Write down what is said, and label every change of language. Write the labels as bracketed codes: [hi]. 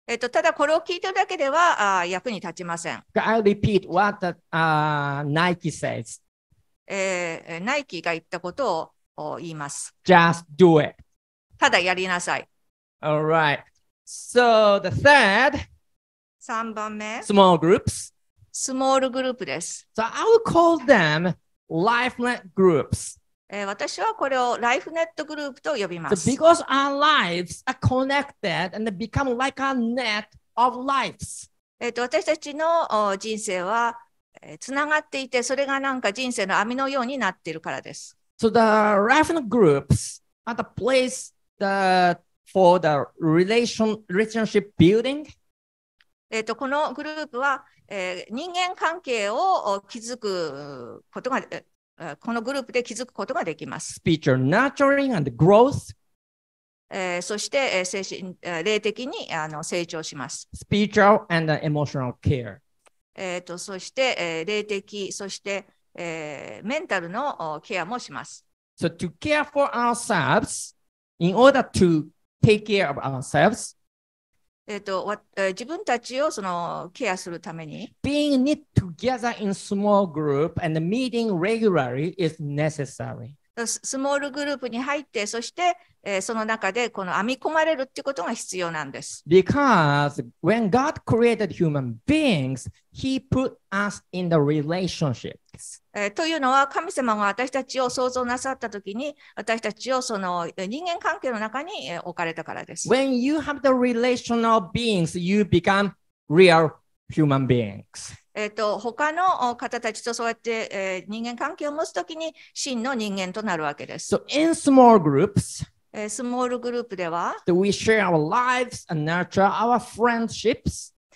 [ja] ただこれを聞いてるだけでは役に立ちません。 [en] I'll repeat what Nike says. [ja] Nike が言ったことをを言います。 [en] Just do it. [ja] ただやりなさい。 [en] All right. So the third. [ja] 3番目。 [en] Small groups. [ja] スモールグループです。 [en] So I will call them lifenet groups. [ja] 私はこれをライフネットグループと呼びます。 [en] So、because our lives are connected and become like a net of lives. [ja] 私たちの人生はつながっていて、それがなんか人生の網のようになっているからです。 [en] So the lifenet groups are the place that for the relationship building. [ja] このグループは、人間関係を築くことが、このグループで気づくことができます。 [en] Speech or nurturing and growth. [ja] そして、精神、霊的に成長します。 [en] Spiritual and emotional care. [ja] そして、霊的、そして、メンタルのケアもします。 [en] So to care for ourselves, in order to take care of ourselves, [ja] 自分たちをそのケアするために [en] Being knit together in small group and meeting regularly is necessary. [ja] スモールグループに入って、そして、その中でこの編み込まれるっていうことが必要なんです。 [en] Because when God created human beings, He put us in the relationships. [ja] というのは、神様が私たちを創造なさったときに、私たちをその人間関係の中に置かれたからです。 [en] When you have the relational beings, you become real human beings. [ja] 他の方たちとそうやって、人間関係を持つときに、真の人間となるわけです。 [en] So in small groups, [ja] スモールグループでは、 [en] we share our lives and nurture our friendships.